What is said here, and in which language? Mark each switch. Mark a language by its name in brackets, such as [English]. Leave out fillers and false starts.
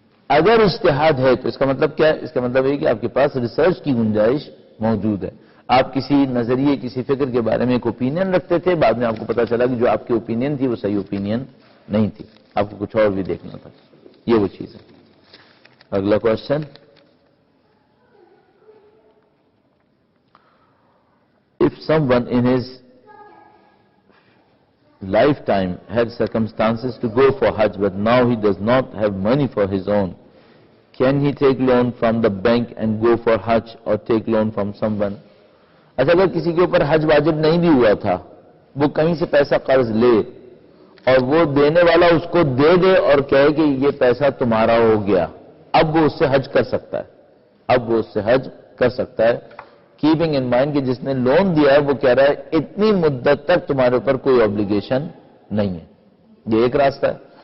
[Urdu] اگر اجتہاد ہے تو اس کا مطلب کیا ہے, اس کا مطلب یہ کہ آپ کے پاس ریسرچ کی گنجائش موجود ہے. آپ کسی نظریے کسی فکر کے بارے میں ایک اوپینین رکھتے تھے, بعد میں آپ کو پتا چلا کہ جو آپ کی اوپینین تھی وہ صحیح اوپینین نہیں تھی, آپ کو کچھ اور بھی دیکھنا تھا, یہ وہ چیز ہے. اگلا question, [English] if someone in his lifetime had circumstances to go for Hajj but now he does not have money for his own, can he take loan from the bank and go for Hajj or take loan from someone? [Urdu] اچھا اگر کسی کے اوپر حج واجب نہیں بھی ہوا تھا, وہ کہیں سے پیسہ قرض لے اور وہ دینے والا اس کو دے دے اور کہے کہ یہ پیسہ تمہارا ہو گیا, اب وہ اس سے حج کر سکتا ہے, اب وہ اس سے حج کر سکتا ہے. [English] keeping in mind [Urdu] کہ جس نے لون دیا ہے وہ کہہ رہا ہے اتنی مدت تک تمہارے اوپر کوئی obligation نہیں ہے. یہ ایک راستہ ہے.